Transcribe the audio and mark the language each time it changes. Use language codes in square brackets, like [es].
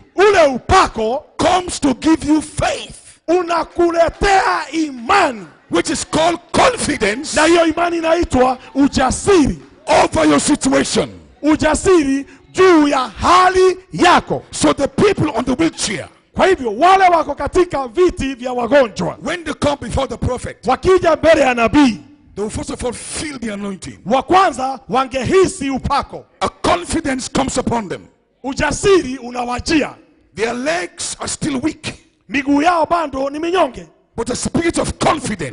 [sw] ule upako, [en] comes to give you faith. [sw] Unakuletea imani, [en] which is called confidence. [sw] Na hiyo imani inaitwa ujasiri. [en] Over your situation. [sw] Ujasiri juu ya hali yako. [en] So the people on the wheelchair. [sw] Kwa hivyo wale wako katika viti vya wagonjwa. [en] When they come before the prophet. [sw] Wakija mbele ya nabii. [en] They will first of all feel the anointing. [sw] Wa kwanza wangehisi upako. [en] A confidence comes upon them. [sw] Ujasiri unawajia. [en] Their legs are still weak. [sw] Miguu yao bado ni minyonge. [en] But a spirit of confidence.